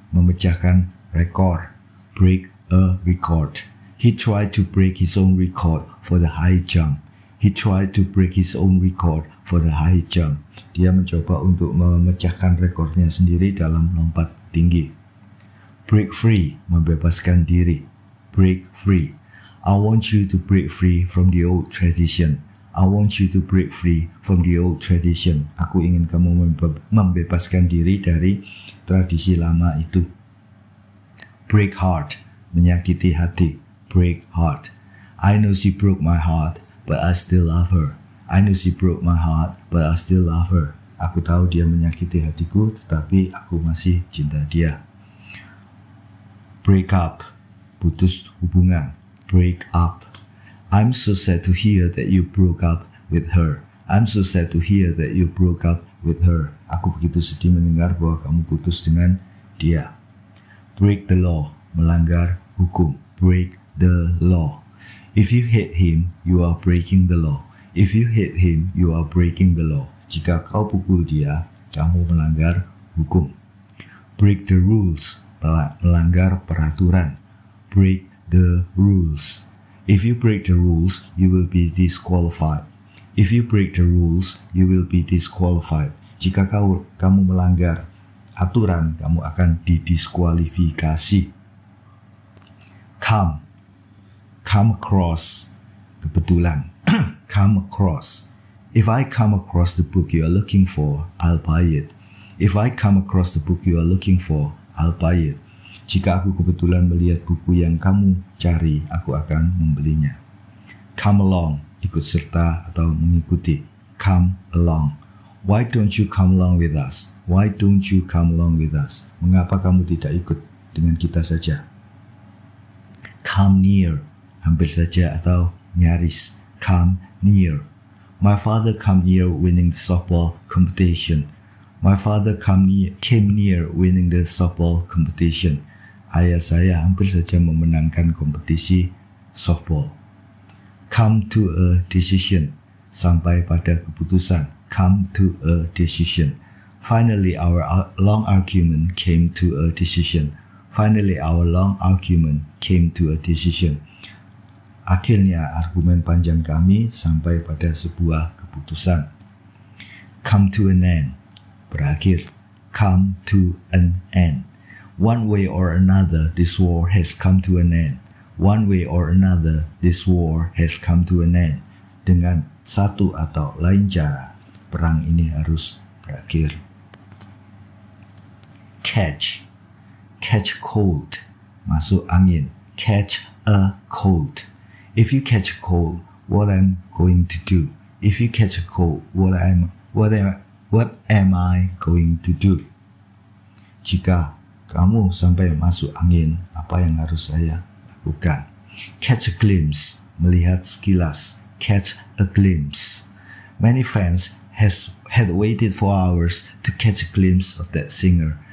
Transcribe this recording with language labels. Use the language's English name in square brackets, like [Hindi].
[Indonesian] Memecahkan rekor. [English] Break a record. He tried to break his own record for the high jump. He tried to break his own record for the high jump. [Indonesian] Dia mencoba untuk memecahkan rekornya sendiri dalam lompat tinggi. [English] Break free. [Indonesian] Membebaskan diri. [English] Break free. I want you to break free from the old tradition. I want you to break free from the old tradition. [Indonesian] Aku ingin kamu membebaskan diri dari tradisi lama itu. [English] Break heart. [Indonesian] Menyakiti hati. [English] Break heart. I know she broke my heart, but I still love her. I know she broke my heart, but I still love her. [Indonesian] Aku tahu dia menyakiti hatiku, tetapi aku masih cinta dia. [English] Break up. [Indonesian] Putus hubungan. [English] Break up. I'm so sad to hear that you broke up with her. I'm so sad to hear that you broke up with her. [Indonesian] Aku begitu sedih mendengar bahwa kamu putus dengan dia. [English] Break the law. [Indonesian] Melanggar hukum. [English] Break the law. If you hit him, you are breaking the law. If you hit him, you are breaking the law. [Indonesian] Jika kau pukul dia, kamu melanggar hukum. [English] Break the rules. [Indonesian] Melanggar peraturan. [English] Break the rules. If you break the rules, you will be disqualified. If you break the rules, you will be disqualified. [Indonesian] Jika kamu melanggar aturan, kamu akan didiskualifikasi. [English] come, come across, kebetulan, come across. If I come across the book you are looking for, I'll buy it. If I come across the book you are looking for, I'll buy it. [Indonesian] Jika aku kebetulan melihat buku yang kamu cari, aku akan membelinya. [English] Come along, [Indonesian] ikut serta atau mengikuti. Come along. [English] Why don't you come along with us? Why don't you come along with us? [Indonesian] Mengapa kamu tidak ikut dengan kita saja? [English] Come near, [Indonesian] hampir saja atau nyaris. [English] Come near. My father come near winning the softball competition. My father came near winning the softball competition. [Indonesian] Ayah saya hampir saja memenangkan kompetisi softball. [English] Come to a decision. [Indonesian] Sampai pada keputusan. [English] Come to a decision. Finally, our long argument came to a decision. Finally, our long argument came to a decision. [Indonesian] Akhirnya, argumen panjang kami sampai pada sebuah keputusan. [English] Come to an end. Berakhir. Come to an end. One way or another, this war has come to an end. One way or another, this war has come to an end. [Indonesian] Dengan satu atau lain cara, perang ini harus berakhir. [English] Catch. Catch cold. [Indonesian] Masuk angin. [English] Catch a cold. If you catch a cold, what am I going to do? If you catch a cold, what am I going to do? [Indonesian] Jika kamu sampai masuk angin, apa yang harus saya lakukan? [English] Catch a glimpse. [Indonesian] Melihat sekilas. [English] Catch a glimpse. Many fans had waited for hours to catch a glimpse of that singer.